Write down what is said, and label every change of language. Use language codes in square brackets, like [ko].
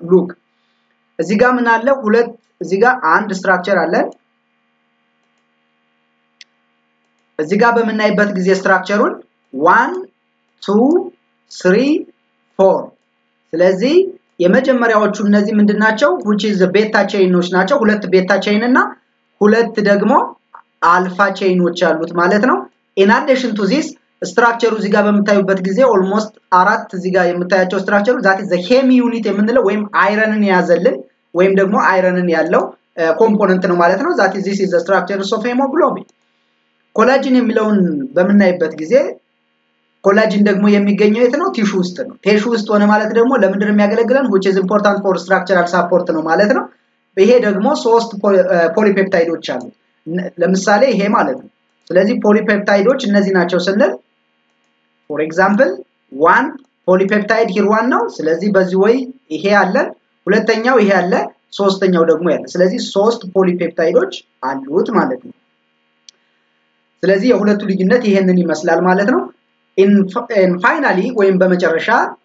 [am] ሉክ እዚህ ጋር ምን አለ? ሁለት እዚህ ጋር አንድ ስትራክቸር አለ። እዚህ ጋር በመናይበት ጊዜ ስትራክቸሩን 1 2 3 4 ስለዚህ የመጀመሪያዎቹ እነዚህ ምንድናቸው? which is the beta chainዎች ናቸው። ሁለት beta chain እና ሁለት ደግሞ alpha chainዎች አሉት ማለት ነው። [en] in addition to this structure [am] እዚህ ጋር በመታዩበት ጊዜ almost አራት እዚህ ጋር የምታያቸው structure that is the heme unit የምንለው ወይም ironን ያዘልን ወይም ደግሞ ironን ያለው component ነው ማለት ነው። [en] that is this is the structure of hemoglobin. [am] collagen የሚለውን በመናይበት ጊዜ ኮላጅን ደግሞ የሚገኘው የት ነው? ቲሹ ውስጥ ነው። ቲሹ ውስጥ ሆነ ማለት ደግሞ ለምንድነው የሚያገለግለን? [en] which is important for structural support [am] ነው ማለት ነው። ይሄ ደግሞ ሶስት ፖሊፔፕታይዶች አሉ። ለምሳሌ ይሄ ማለት ነው። ስለዚህ ፖሊፔፕታይዶች እነዚህ ናቸው ስንል for example 1 ፖሊፔፕታይድ here 1 ነው። ስለዚህ በዚህ ወይ ይሄ አለ፣ ሁለተኛው ይሄ አለ፣ ሶስተኛው ደግሞ ያለ። ስለዚህ ሶስት ፖሊፔፕታይዶች አሉት ማለት ነው። ስለዚህ የሁለቱ ልዩነት ይሄንን ይመስላል ማለት ነው። [en] and finally when [am] በመጨረሻ